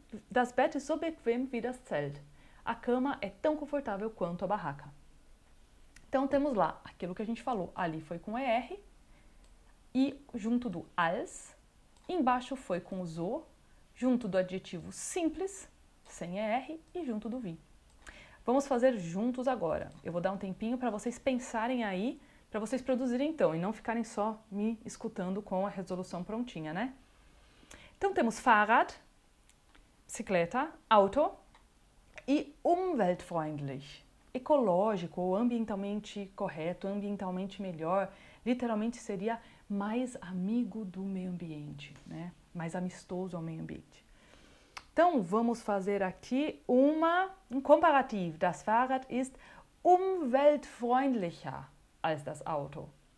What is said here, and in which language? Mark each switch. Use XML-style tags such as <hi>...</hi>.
<de>Das Bett ist so bequem wie das Zelt.</de> <pt>A cama é tão confortável quanto a barraca. Então temos lá aquilo que a gente falou. Ali foi com ER e junto do als. Embaixo foi com o zo, junto do adjetivo simples, sem ER, e junto do vi. Vamos fazer juntos agora. Eu vou dar um tempinho para vocês pensarem aí, para vocês produzirem então, e não ficarem só me escutando com a resolução prontinha, né? Então temos Fahrrad, bicicleta, Auto e umweltfreundlich. Ecológico ou ambientalmente correto, ambientalmente melhor, literalmente seria mais amigo do meio ambiente, né? Mais amistoso ao meio ambiente. Então, vamos fazer aqui um comparativo.</pt> <de>Das Fahrrad ist umweltfreundlicher als das Auto.</de>